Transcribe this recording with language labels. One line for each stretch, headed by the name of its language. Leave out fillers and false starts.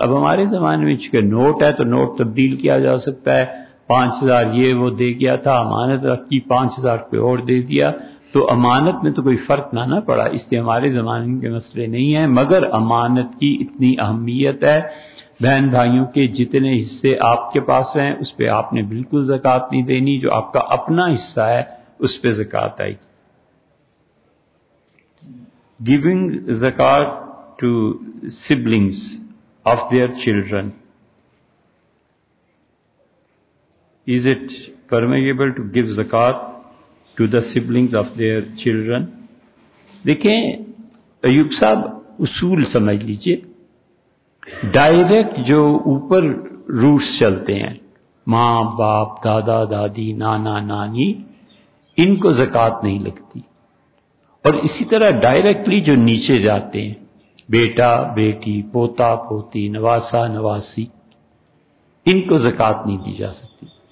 Hindi: अब हमारे जमाने में चूंकि नोट है तो नोट तब्दील किया जा सकता है, 5,000 ये वो दे गया था, अमानत रखी 5,000 पे और दे दिया, तो अमानत में तो कोई फर्क ना पड़ा, इसलिए हमारे जमाने के मसले नहीं है। मगर अमानत की इतनी अहमियत है, बहन भाइयों के जितने हिस्से आपके पास हैं उस पर आपने बिल्कुल ज़कात नहीं देनी, जो आपका अपना हिस्सा है उस पर ज़कात आएगी।
English: Giving zakat to siblings of their children, is it permissible to give zakat to the siblings of their children?
Hindi: देखें अयूब साहब, उसूल समझ लीजिए। डायरेक्ट जो ऊपर रूट्स चलते हैं, माँ बाप, दादा दादी, नाना नानी, इनको जकात नहीं लगती। और इसी तरह डायरेक्टली जो नीचे जाते हैं, बेटा बेटी, पोता पोती, नवासा नवासी, इनको ज़कात नहीं दी जा सकती।